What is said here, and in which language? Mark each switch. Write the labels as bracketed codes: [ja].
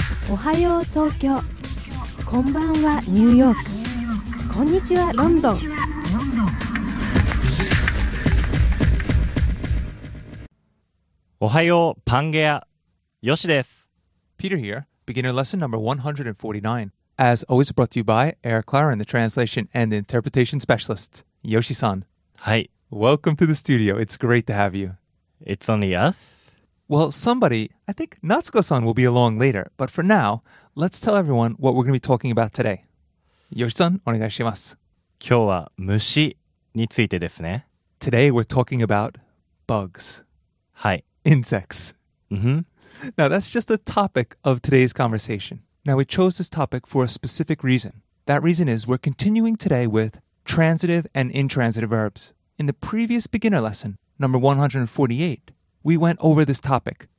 [ja] おはよう東京、こんばんはニューヨーク、こんにちはロンドン。おはようパンゲア、ヨシです。 [en] Peter here, beginner lesson number 149. As always brought to you by Air Claren, the translation and interpretation specialist, Yoshi-san. [ja] はい、 [en] Welcome to the studio. It's great to have you. It's only us? Well, somebody, I think Natsuko-san will be along later. But for now, let's tell everyone what we're going to be talking about today. [ja] Yoshi-san, お願いします。今日は虫についてですね。 [en] Today, we're talking about bugs. [ja] はい。 [en] Insects. Mm-hmm. Now, that's just the topic of today's conversation. Now, we chose this topic for a specific reason. That reason is we're continuing today with transitive and intransitive verbs. In the previous beginner lesson, number 148, we went over this topic.